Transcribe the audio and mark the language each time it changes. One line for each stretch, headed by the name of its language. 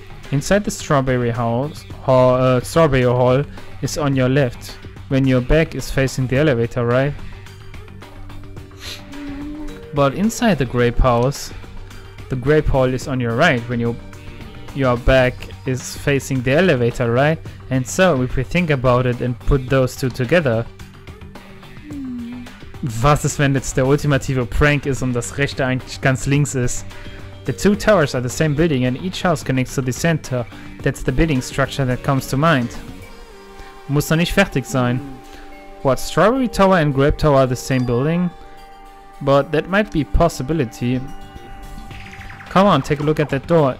English: Inside the strawberry house, strawberry hall is on your left, when your back is facing the elevator, right? But inside the grape house, the grape hall is on your right, when your back is facing the elevator, right? And so, if we think about it and put those two together...
German: Was ist, wenn jetzt der ultimative Prank ist und das rechte eigentlich ganz links ist?
English: The two towers are the same building and each house connects to the center. That's the building structure that comes to mind.
German: Muss noch nicht fertig sein.
English: What, Strawberry Tower and Grape Tower are the same building? But that might be a possibility. Come on, take a look at that door.